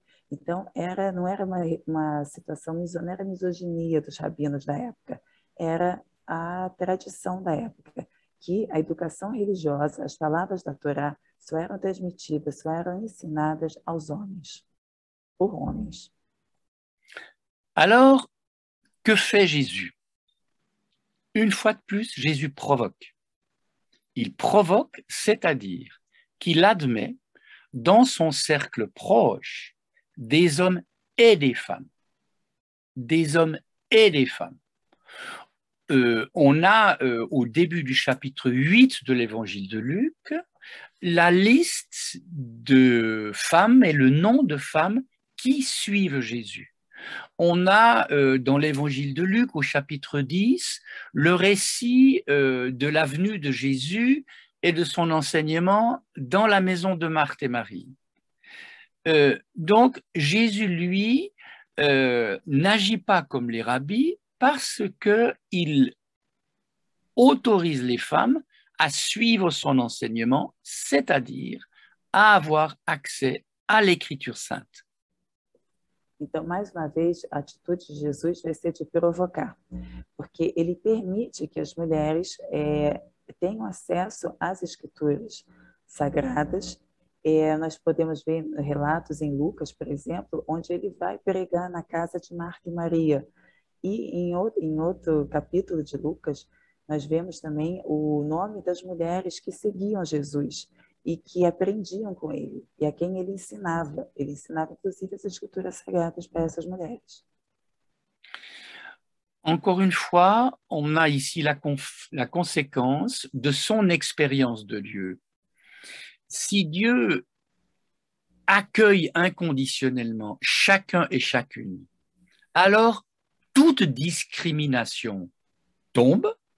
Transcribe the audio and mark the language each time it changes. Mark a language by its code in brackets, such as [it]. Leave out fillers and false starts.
[pt] Então, não era uma situação, não era a misoginia dos rabinos da época, era a tradição da época, que a educação religiosa, as palavras da Torá, só eram transmitidas, só eram ensinadas aos homens, por homens. [fr] Alors, que fait Jésus? Une fois de plus, Jésus provoque. Il provoque, c'est-à-dire qu'il admet dans son cercle proche des hommes et des femmes. Des hommes et des femmes. On a au début du chapitre 8 de l'évangile de Luc la liste de femmes et le nom de femmes qui suivent Jésus. On a dans l'évangile de Luc, au chapitre 10, le récit de la venue de Jésus et de son enseignement dans la maison de Marthe et Marie. Donc, Jésus, lui, n'agit pas comme les rabbis parce qu'il autorise les femmes à suivre son enseignement, c'est-à-dire à avoir accès à l'Écriture sainte. [pt] Então, mais uma vez, a atitude de Jesus vai ser de provocar, porque ele permite que as mulheres tenham acesso às escrituras sagradas. Nós podemos ver relatos em Lucas, por exemplo, onde ele vai pregar na casa de Marta e Maria. E em outro capítulo de Lucas, nós vemos também o nome das mulheres que seguiam Jesus e que aprendiam com ele, e a quem ele ensinava. Ele ensinava, inclusive, as escrituras sagradas para essas mulheres. [fr] Encore une fois, on a ici la conséquence de son expérience de Dieu. Si Dieu accueille inconditionnellement chacun et chacune, alors toute discrimination tombe.